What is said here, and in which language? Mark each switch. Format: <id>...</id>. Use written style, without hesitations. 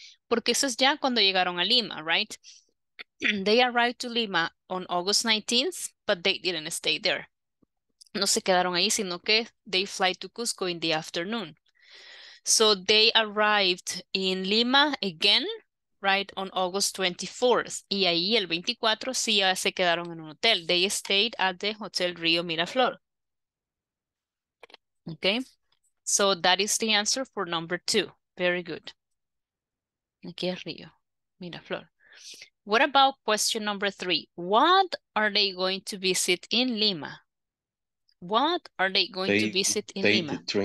<es>Porque eso es ya cuando llegaron a Lima, right?</es> <en>They arrived to Lima on August 19th, but they didn't stay there.</en> <es>No se quedaron ahí, sino que</es> <en>they fly to Cusco in the afternoon. So they arrived in Lima again, right, on August 24th.</en> <es>Y ahí el 24 sí ya se quedaron en un hotel.</es> <en>They stayed at the Hotel Rio Miraflor. Okay, so that is the answer for number two. Very good.</en> <es>Aquí es Rio Miraflor.</es> <en>What about question number three? What are they going to visit in Lima? What are they going to visit in Lima?</en>